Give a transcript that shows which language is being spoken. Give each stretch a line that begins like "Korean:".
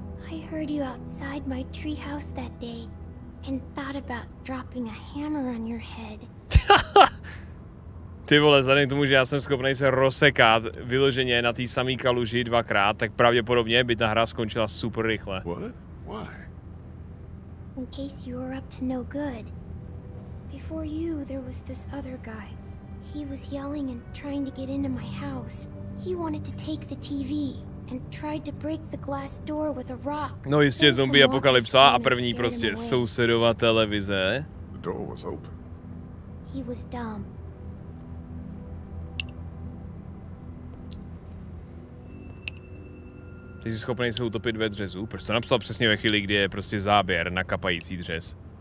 English: I heard you outside my treehouse that day and thought about dropping a hammer on your head.
Czech: Ty vole, vzhledem k tomu, že já jsem schopný se rozsekat vyloženě na té samé kaluži dvakrát, tak pravděpodobně by ta hra skončila super rychle.
English: What? Why? In case you were up to no good. Before you, there was this other guy. He was yelling and trying to get into my house. He wanted to take the TV. And tried to break the glass door with a rock.
Czech: No jistě, zombie apokalypsa a první prostě sousedová televize.
English: The door was open. He was dumb.
Czech: Ty jsi schopný se utopit ve dřezu? Proč to napsal přesně ve chvíli, kdy je prostě záběr na kapající dřez?